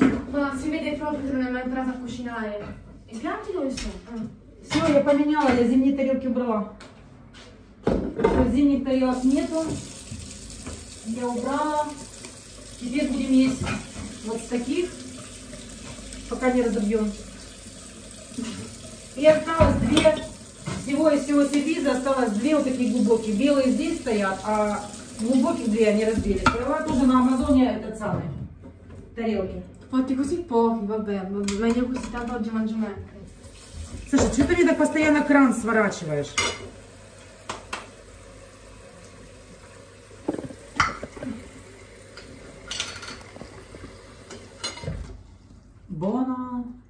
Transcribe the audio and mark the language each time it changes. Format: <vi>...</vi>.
<it>Ma si vede proprio che non è mai entrata a cucinare. E piatti dove sono?</it> <ru>Все, я поменяла, я зимние тарелки убрала. Зимних тарелок нету. Я убрала. Теперь будем есть вот таких, пока не разобьем. И осталось две. Всего из всего сервиза осталось две вот такие глубокие. Белые здесь стоят, а глубоких две они разбили. Брала тоже на Амазоне этот самый тарелки. Вот и</ru> <it>così pochi, vabbè, meglio così tanto oggi mangio me.</it> <ru>Слушай, что ты мне так постоянно кран сворачиваешь?</ru> <it>Боно.</it>